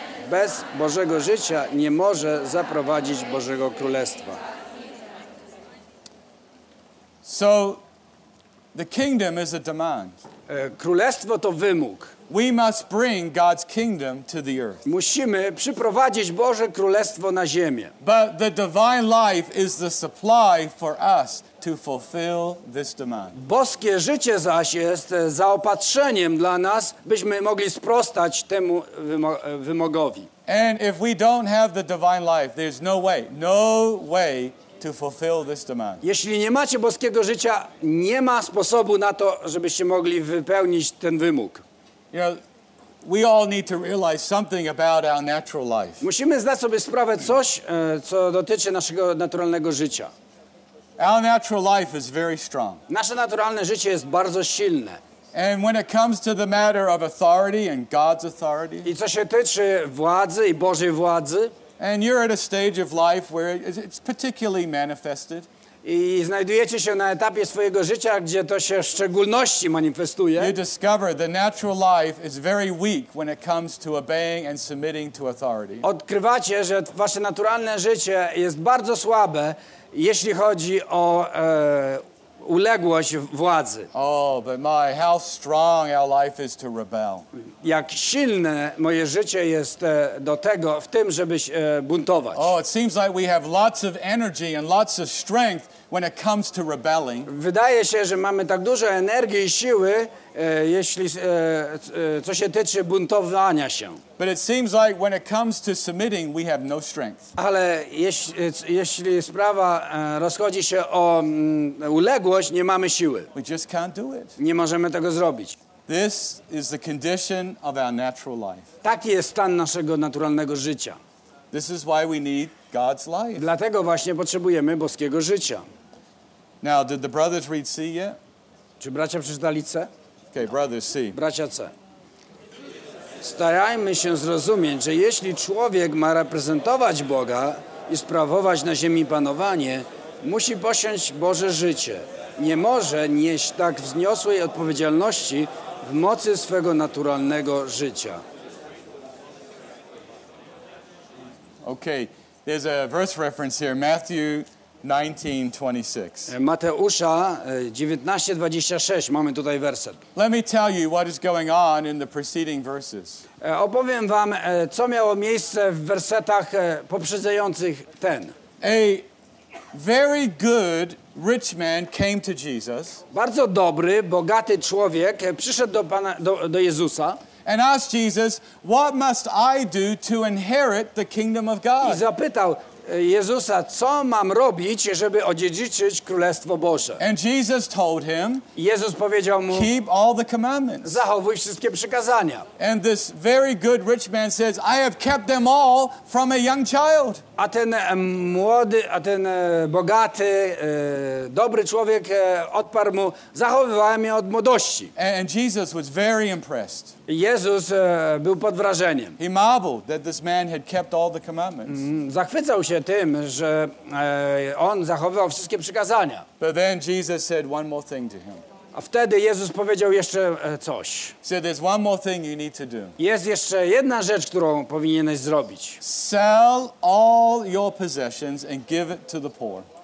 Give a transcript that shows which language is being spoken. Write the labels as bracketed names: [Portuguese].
[Polish] Bez Bożego życia nie może zaprowadzić Bożego Królestwa. [English] So, the kingdom is a demand. [Polish] Królestwo to wymóg. [English] We must bring God's kingdom to the earth. [Polish] Musimy przyprowadzić Boże Królestwo na ziemię. [English] But the divine life is the supply for us to fulfill this demand. [Polish] Boskie życie zaś jest zaopatrzeniem dla nas, byśmy mogli sprostać temu wymogowi. [English] And if we don't have the divine life, there's no way, no way to fulfill this demand. [Polish] Jeśli nie macie boskiego życia, nie ma sposobu na to, żebyście mogli wypełnić ten wymóg. [English] You know, we all need to realize something about our natural life. [Polish] Musimy zdać sobie sprawę coś, co dotyczy naszego naturalnego życia. [English] Our natural life is very strong. [Polish] Nasze naturalne życie jest bardzo silne. [English] And when it comes to the matter of authority and God's authority, [Polish] i co się tyczy władzy i Bożej władzy, [English] and you're at a stage of life where it's particularly manifested. [Polish] I znajdujecie się na etapie swojego życia, gdzie to się w szczególności manifestuje. [English] You discover the natural life is very weak when it comes to obeying and submitting to authority. [Polish] Odkrywacie, że wasze naturalne życie jest bardzo słabe, jeśli chodzi o uległość władzy. [English] Oh, but my, how strong our life is to rebel. [Polish] Jak silne moje życie jest do tego, w tym, żeby się buntować. [English] Oh, it seems like we have lots of energy and lots of strength when it comes to rebelling. [Polish] Wydaje się, że mamy tak dużo energii i siły, jeśli co się tyczy buntowania się. [English] But it seems like when it comes to submitting, we have no strength. [Polish] Ale jeśli sprawa rozchodzi się o uległość, nie mamy siły. [English] We just can't do it. [Polish] Nie możemy tego zrobić. [English] This is the condition of our natural life. [Polish] Taki jest stan naszego naturalnego życia. [English] This is why we need God's life. [Polish] Dlatego właśnie potrzebujemy boskiego życia. [English] Now, did the brothers read C yet? [Polish] Czy bracia przeczytali C? [English] Okay, brothers C. [Polish] Bracia C. starajmy się zrozumieć, że jeśli człowiek ma reprezentować Boga i sprawować na ziemi panowanie, musi posiąść Boże życie. Nie może nieść tak wzniosłej odpowiedzialności w mocy swego naturalnego życia. [English] Okay, there's a verse reference here, Matthew 19:26. [Polish] Mateusza 19:26. Mamy tutaj werset. [English] Let me tell you what is going on in the preceding verses. [Polish] Opowiem wam, co miało miejsce w wersetach poprzedzających ten. [English] A very good rich man came to Jesus. [Polish] Bardzo dobry, bogaty człowiek przyszedł do Pana, do Jezusa. [English] And asked Jesus, "What must I do to inherit the kingdom of God?" [Polish] I zapytał Jezusa, co mam robić, żeby odziedziczyć Królestwo Boże? [English] And Jesus told him, [Polish] Jezus powiedział mu, [English] keep all the commandments. [Polish] Zachowuj wszystkie przykazania. [English] And this very good rich man says, I have kept them all from a young child. [Polish] A ten młody, a ten bogaty, dobry człowiek odparł mu, zachowywałem je od młodości. [English] And Jesus was very impressed. [Polish] Jezus był pod wrażeniem. [English] He marveled that this man had kept all the commandments. [Polish] Zachwycał się tym, że on zachowywał wszystkie przykazania. [English] But then Jesus said one more thing to him. [Polish] A wtedy Jezus powiedział jeszcze coś. [English] So there's one more thing you need to do. [Polish] Jest jeszcze jedna rzecz, którą powinieneś zrobić. [English] Sell all your possessions and give it to the poor.